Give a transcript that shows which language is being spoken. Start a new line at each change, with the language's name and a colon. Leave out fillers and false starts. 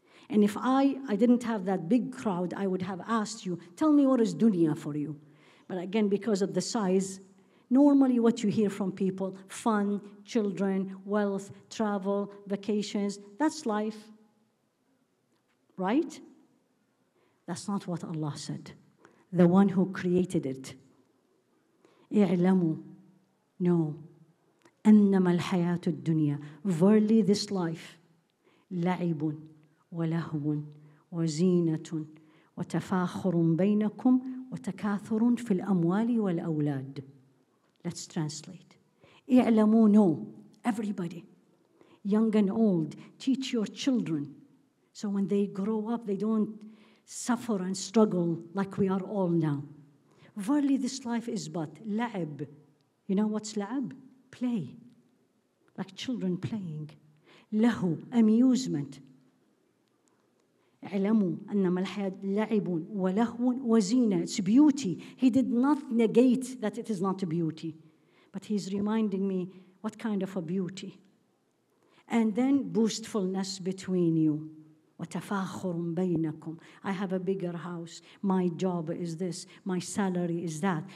English: And if I didn't have that big crowd, I would have asked you, tell me what is dunya for you. But again, because of the size, normally what you hear from people, fun, children, wealth, travel, vacations, that's life. Right? That's not what Allah said. The one who created it.
Arabic: اعلموا, no, أنما الحياة الدنيا.
English: Verily, this life,
Arabic: لعب ولهو وزينة وتفاخر بينكم وتكاثر في الأموال والأولاد.
English: Let's translate. اعلموا, no, everybody, young and old, teach your children so when they grow up, they don't suffer and struggle like we are all now. Verily, this life is but la'ib. You know what's la'ib? Play. Like children playing. Lahu, amusement.
Arabic: اعلموا أنما الحياة لعب ولهو وزينة.
English: It's beauty. He did not negate that it is not a beauty. But he's reminding me what kind of a beauty. And then boastfulness between you.
Arabic: وتفاخر بينكم.
English: I have a bigger house. My job is this. My salary is that.